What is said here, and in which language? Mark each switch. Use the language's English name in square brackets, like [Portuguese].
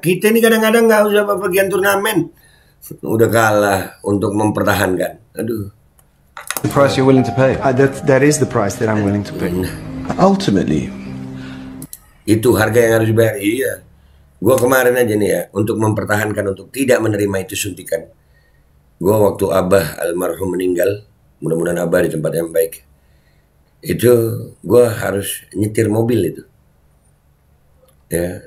[Indonesian] Kita ini kadang-kadang nggak usah bepergian turnamen, udah kalah untuk mempertahankan. Aduh. [English] The price you're willing to pay. That is the price that I'm willing to pay. Ultimately, [Indonesian] itu harga yang harus dibayar. Iya, gue kemarin aja nih ya, untuk mempertahankan, untuk tidak menerima itu suntikan. Gue waktu abah almarhum meninggal, mudah-mudahan abah di tempat yang baik. Itu gue harus nyetir mobil itu, ya.